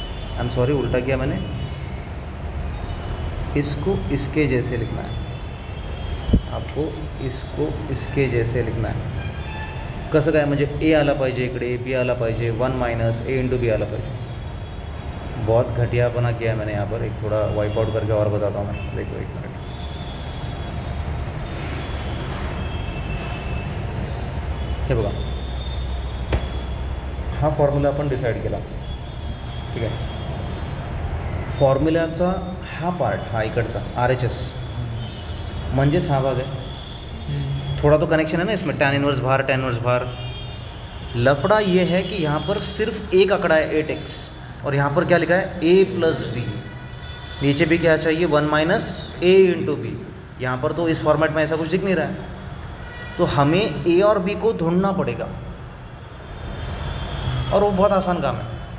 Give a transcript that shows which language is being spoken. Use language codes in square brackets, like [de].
[en] I am sorry [hi] उल्टा किया मैंने, इसको इसके जैसे लिखना है, आपको इसको इसके जैसे लिखना है। [mr] कसं काय, म्हणजे ए आला पाहिजे इकडे, बी आला पाहिजे, वन माइनस ए इंटू बी आला पाहिजे। [hi] बहुत घटियापना किया मैंने यहाँ पर, एक थोड़ा वाइपआउट करके और बताता हूँ मैं। देखो एक मिनट, [mr] हे बघा हा फॉर्म्युला आपण डिसाईड केला, ठीक आहे। फॉर्म्युलाचा हा पार्ट, हा इकडचा आर एच एस म्हणजेच हा भाग आहे। थोडा तो कनेक्शन आहे ना इसमें, टॅन इनवर्स बाहेर टॅन इनवर्स बाहेर। [hi] लफड़ा ये है कि यहाँ पर सिर्फ एक आकड़ा है 8x और यहाँ पर क्या लिखा है, a प्लस बी, नीचे भी क्या चाहिए, 1 माइनस ए इंटू बी। यहाँ पर तो इस फॉर्मेट में ऐसा कुछ दिख नहीं रहा है, तो हमें a और b को ढूंढना पड़ेगा और वो बहुत आसान काम है।